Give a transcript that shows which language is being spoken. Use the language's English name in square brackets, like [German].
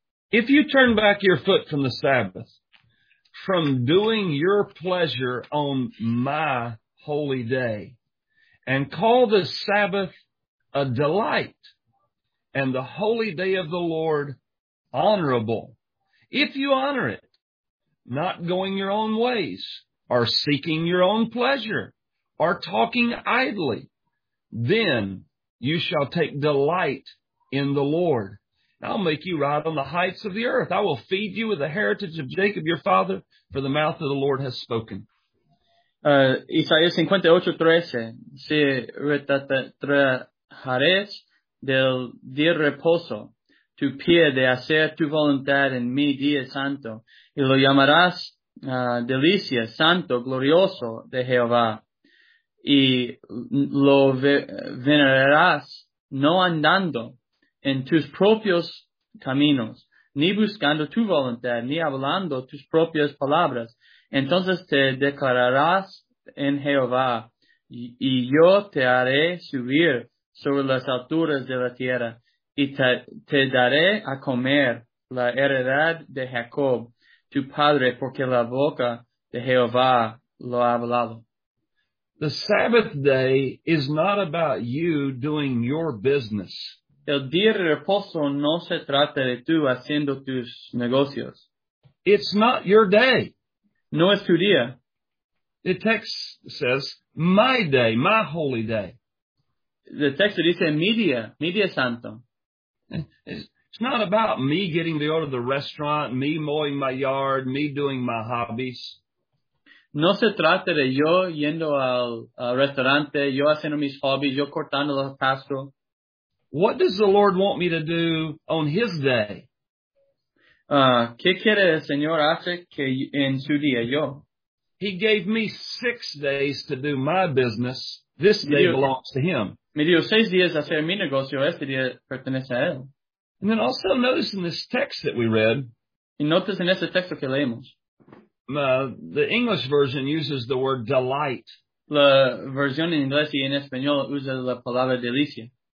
[English] If you turn back your foot from the Sabbath, from doing your pleasure on my holy day, and call the Sabbath a delight, and the holy day of the Lord honorable, if you honor it, not going your own ways, or seeking your own pleasure, or talking idly, then you shall take delight in the Lord. I'll make you ride on the heights of the earth. I will feed you with the heritage of Jacob, your father, for the mouth of the Lord has spoken. [Spanish] Isaías 58:13. Si retrataréis del día reposo, tu pie de hacer tu voluntad en mi día santo, y lo llamarás delicia, santo, glorioso de Jehová, y lo venerarás no andando en tus propios caminos, ni buscando tu voluntad, ni hablando tus propias palabras, entonces te declararás en Jehová, y yo te haré subir sobre las alturas de la tierra, y te daré a comer la heredad de Jacob, tu padre, porque la boca de Jehová lo ha hablado. [English] The Sabbath day is not about you doing your business. [Spanish] El día de reposo no se trata de tú haciendo tus negocios. [English] It's not your day. [Spanish] No es tu día. [English] The text says, my day, my holy day. The text [Spanish] dice, mi día, mi día santo. [English] It's not about me getting to go to the restaurant, me mowing my yard, me doing my hobbies. [Spanish] No se trata de yo yendo al restaurante, yo haciendo mis hobbies, yo cortando el pasto. [English] What does the Lord want me to do on His day? [Spanish] ¿Qué quiere el Señor hacer que en su día yo? [English] He gave me 6 days to do my business. This day belongs to Him. [Spanish] Me dio 6 días a hacer mi negocio. Este día pertenece a Él. [English] And then also notice in this text that we read. [Spanish] Y notas en ese texto que leemos. [English] The English version uses the word delight. [Spanish] La versión en inglés y en español usa la palabra delicia.